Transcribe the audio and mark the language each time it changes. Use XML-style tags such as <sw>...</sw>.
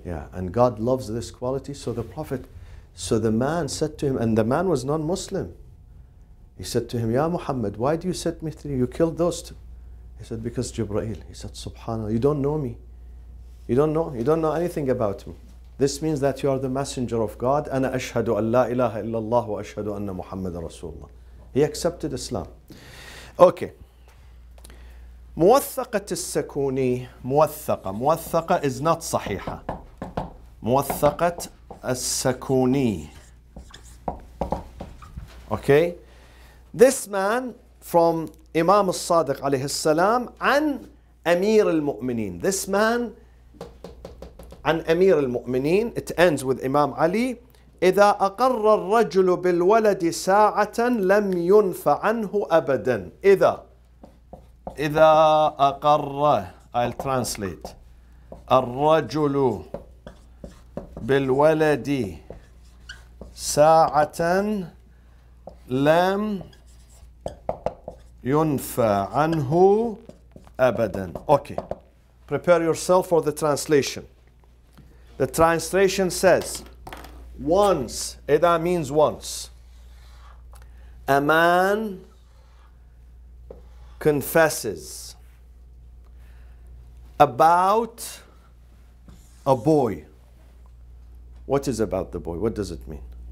<en>Yeah, and God loves this quality. So the Prophet, so the man said to him, and the man was non-Muslim. He said to him, Ya Muhammad, why do you set me free? You killed those two. He said, because Jibreel. He said, SubhanAllah, you don't know me. You don't know anything about me. This means that you are the messenger of God.</en> <ar>أنا أشهد أن لا إله إلا الله وأشهد أن محمد رسول الله.</ar> <en>He accepted Islam. Okay.</en> <ar>موثقة السكوني موثقة.</ar> <en>موثقة is not صحيحة.</en> <ar>موثقة السكوني.</ar> <en>Okay. This man from Imam al-Sadiq</en> <ar>عليه السلام عن أمير المؤمنين.</ar> <en>This man</en> <ar>عن أمير المؤمنين</ar> <en>it ends with Imam Ali</en> <ar>إذا أقر الرجل بالولد ساعة لم ينف عنه أبدا إذا</ar> <en>أقر I'll translate</en> <ar>الرجل بالولد ساعة لم ينف عنه أبدا</ar> <en>Okay, prepare yourself for the translation. The translation says, once, Ida means once, a man confesses about a boy. What is about the boy? What does it mean?</en>